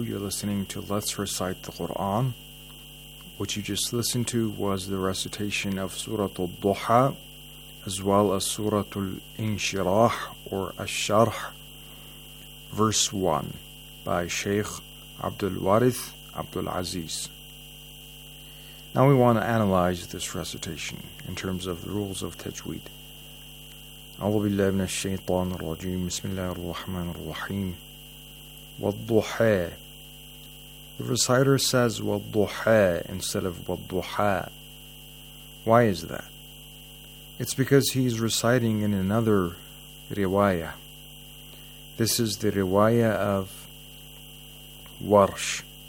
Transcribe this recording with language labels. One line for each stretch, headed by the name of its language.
English: You're listening to Let's Recite the Quran. What you just listened to was the recitation of Surah Al-Duha, as well as Surah Al-Inshirah, or Al-Sharh, verse 1, by Sheikh Abdul Warith Abdul Aziz. Now we want to analyze this recitation in terms of the rules of Tajweed.
Arabic: أعوذ بالله من الشيطان الرجيم بسم الله الرحمن الرحيم والضحى.
English: The reciter says والضحى instead of والضحى. Why is that? It's because he's reciting in another riwayah. This is the riwayah of Warsh.